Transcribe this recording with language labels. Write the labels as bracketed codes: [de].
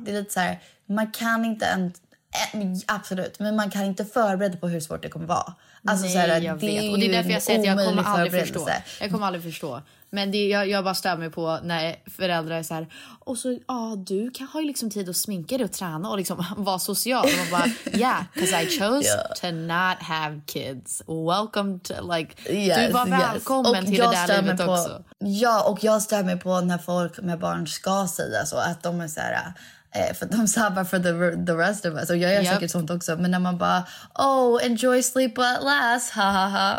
[sv] Det är lite så här, man kan inte absolut, men man kan inte förbereda på hur svårt det kommer vara. Alltså, nej, så här, det är därför jag säger att jag kommer aldrig förstå. Men det, jag bara stör mig på när föräldrar är så här, och så, ja, du kan ha ju liksom tid att sminka dig och träna och liksom vara social. Och man bara, [en] yeah, because I chose to not have kids. Welcome to, like, yes, [sv] du var välkommen till det där livet också. Ja, och jag stör mig på när folk med barn ska säga så, att de är så här, för de sabbar för [en] the rest of us. [sv] Och jag gör säkert sånt också. Men när man bara, [en] oh, enjoy sleep at last. Ha, ha, ha.